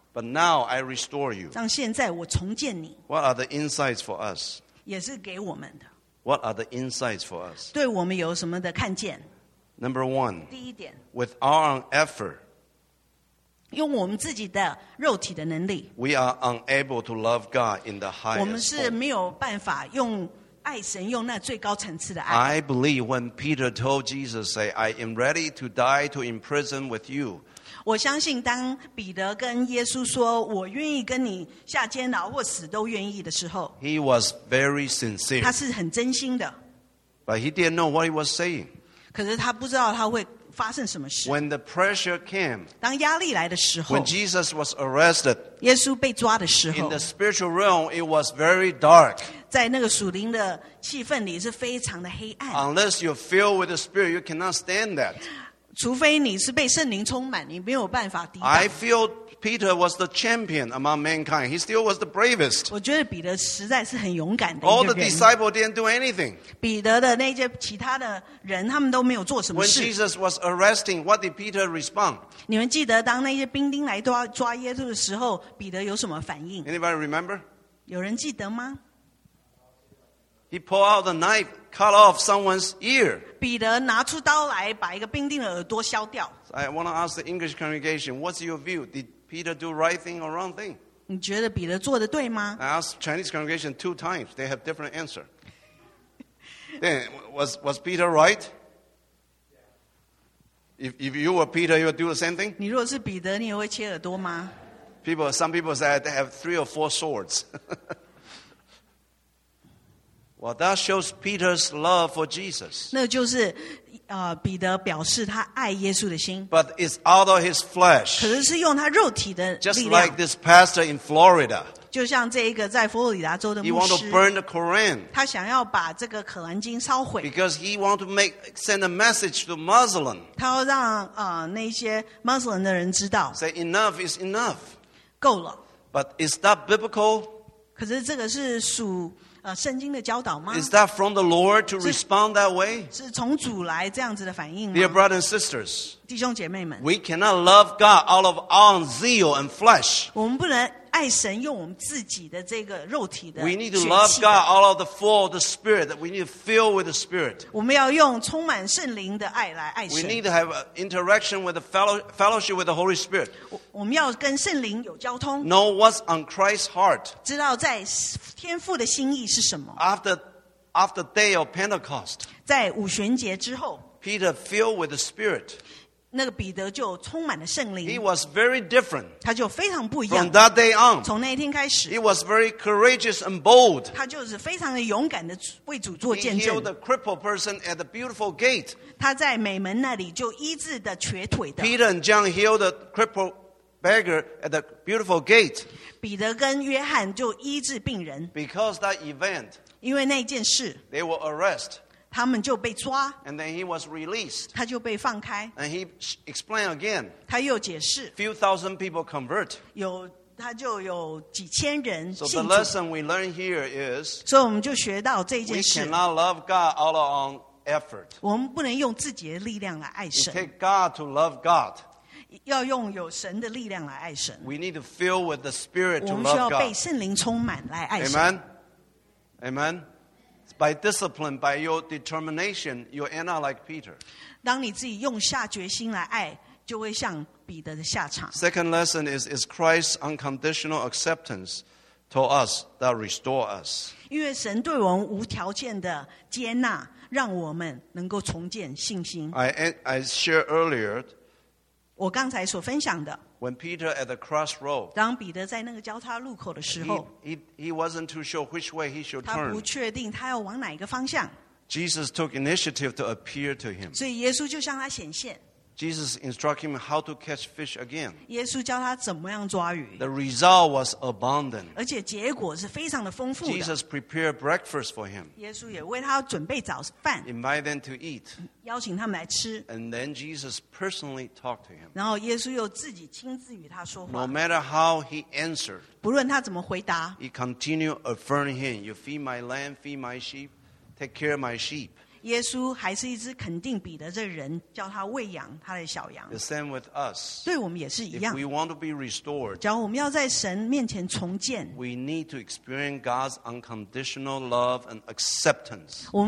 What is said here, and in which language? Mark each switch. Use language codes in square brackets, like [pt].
[en] But now I restore you. [zh] 让现在我重建你。 [en] What are the insights for us? [zh] 也是给我们的。 [en] What are the insights for us? [zh] 对我们有什么的看见？ [en] Number one. [zh] 第一点。 [en] With our own effort. [zh] 用我们自己的肉体的能力。 [en] We are unable to love God in the highest form. [zh] 我们是没有办法用爱神用那最高层次的爱。 [en] I believe when Peter told Jesus, say, I am ready to die to imprison with you. [zh] 我相信当彼得跟耶稣说我愿意跟你下监牢或死都愿意的时候。 [en] He was very sincere. [zh] 他是很真心的。 [en] But he didn't know what he was saying. [zh] 可是他不知道他会发生什么事。 [en] When the pressure came, [zh] 当压力来的时候。 [en] When Jesus was arrested, [zh] 耶稣被抓的时候。 [en] In the spiritual realm, it was very dark. [zh] 在那个属灵的气氛里是非常的黑暗。 [en] Unless you're filled with the Spirit, you cannot stand that. [zh] 除非你是被圣灵充满，你没有办法抵挡。 [en] I feel Peter was the champion among mankind. He still was the bravest. [zh] 我觉得彼得实在是很勇敢的一个人。 [en] All the disciples didn't do anything. [zh] 彼得的那些其他的人，他们都没有做什么事。 [en] When Jesus was arresting, what did Peter respond? [zh] 你们记得当那些兵丁来抓耶稣的时候，彼得有什么反应？ [en] Anybody remember? [zh] 有人记得吗？ [en] He pulled out the knife, cut off someone's ear. [zh] 彼得拿出刀来，把一个兵丁的耳朵削掉。 [en] I want to ask the English congregation, what's your view? Did Peter do right thing or wrong thing? [zh] 你觉得彼得做的对吗？ [en] I asked Chinese congregation two times. They have different answer. Then, was Peter right? If you were Peter, you would do the same thing? [zh] 你如果是彼得，你也会切耳朵吗？ [en] Some people say they have three or four swords. Well, that shows Peter's love for Jesus. [zh] 那就是彼得表示他爱耶稣的心。 [en] But it's out of his flesh. [zh] 可是是用他肉体的力量。 [en] Just like this pastor in Florida. [zh] 就像这一个在佛罗里达州的牧师。 [en] He want to burn the Koran. [zh] 他想要把这个可兰经烧毁。 [en] Because he want to send a message to Muslim. [zh] 他要让那些 Muslim 的人知道。 [en] Say enough is enough. [zh] 够了。 [en] But is that biblical? [zh] 可是这个是属圣经的教导吗？ [en] Is that from the Lord to respond that way? [zh] 是从主来这样子的反应吗？ [en] Dear brothers and sisters, [zh] 弟兄姐妹们， [en] we cannot love God out of our own zeal and flesh. [zh] 我们不能爱神用我们自己的这个肉体的血气。 [en] We need to love God out of the full of the Spirit, that we need to fill with the Spirit. [zh] 我们要用充满圣灵的爱来爱神。 [en] We need to have an interaction with the fellowship with the Holy Spirit. [zh] 我们要跟圣灵有交通。 [en] Know what's on Christ's heart. [zh] 知道在天父的心意是什么。 [en] After the day of Pentecost, [zh] 在五旬节之后， [en] Peter filled with the Spirit. [zh] 那个彼得就充满了圣灵。 [en] He was very different. [zh] 他就非常不一样。 [en] From that day on, [zh] 从那一天开始。 [en] He was very courageous and bold. [zh] 他就是非常的勇敢的为主做见证。 [en] He healed a crippled person at the beautiful gate. [zh] 他在美门那里就医治的瘸腿的。 [en] Peter and John healed a crippled beggar at the beautiful gate. [zh] 彼得跟约翰就医治病人。 [en] Because that event, [zh] 因为那件事。 [en] They were arrested. [zh] 他们就被抓， [en] and then he was released. [zh] 他就被放开， [en] and he explained again. [zh] 他又解释， [en] few thousand people convert. [zh] 有他就有几千人信主。 [en] So the lesson we learn here is, [zh] 所以我们就学到这件事。 [en] We cannot love God out of our effort. [zh] 我们不能用自己的力量来爱神。 [en] It takes God to love God. [zh] 要用有神的力量来爱神。 [en] We need to fill with the Spirit to love God. [zh] 我们需要被圣灵充满来爱神。 [en] Amen. Amen. By discipline, by your determination, you end up like Peter. [zh] 当你自己用下决心来爱，就会像彼得的下场。 [en] Second lesson is Christ's unconditional acceptance to us that restore us. [zh] 因为神对我们无条件的接纳，让我们能够重建信心。 [en] I shared earlier. [zh] 我刚才所分享的。 [en] When Peter at the crossroad, [zh] 当彼得在那个交叉路口的时候， [en] he wasn't too sure which way he should turn. [zh] 他不确定他要往哪一个方向。 [en] Jesus took initiative to appear to him. [zh] 所以耶稣就向他显现。 [en] Jesus instructed him how to catch fish again. [zh] 耶稣教他怎么样抓鱼。 [en] The result was abundant. [zh] 而且结果是非常的丰富的。 [en] Jesus prepared breakfast for him. [zh] 耶稣也为他准备早饭。 [en] Invite them to eat. [zh] 邀请他们来吃。 [en] And then Jesus personally talked to him. [zh] 然后耶稣又自己亲自与他说话。 [en] No matter how he answered, [zh] 不论他怎么回答, [en] he continued affirming him, you feed my lamb, feed my sheep, take care of my sheep. [zh] 耶稣还是一只肯定彼得这人，叫他喂养他的小羊。 [en] The same with us. [zh] 对我们也是一样。 [en] If we want to be restored, [zh] 假如我们要在神面前重建, [en] we need to experience God's unconditional love and acceptance.